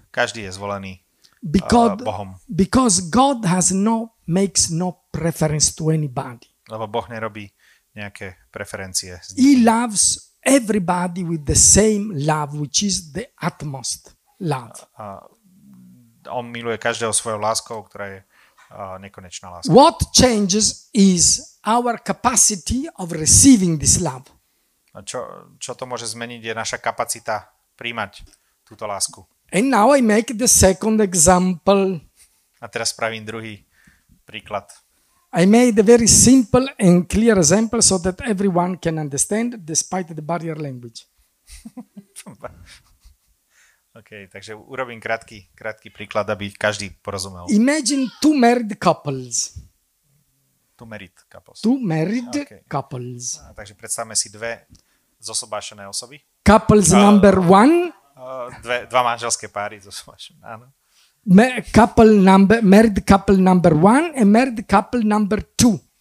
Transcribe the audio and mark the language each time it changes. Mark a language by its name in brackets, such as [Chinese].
[Slovak] Každý je zvolený Bohom. [English] Because God makes no preference to anybody. [Slovak] Lebo Boh nerobí nejaké preferencie. [English] He loves everybody with the same love, which is the utmost love. [Slovak] On miluje každého svojou láskou, ktorá je nekonečná láska. [English] What changes is our capacity of receiving this love. [Slovak] A čo to môže zmeniť, je naša kapacita príjmať túto lásku. [English] And now I make the second example. [Slovak] A teraz spravím druhý príklad. [English] I made a very simple and clear example so that everyone can understand despite the barrier language. [Slovak] OK, takže urobím krátky príklad, aby každý porozumel. [English] Imagine two married couples. Two married couples. [Slovak] A, takže predstavme si dve zosobášené osoby. [English] Couples number one. [Slovak] Dva manželské páry zosobášené, áno. [English] Married couple number one and married couple number two.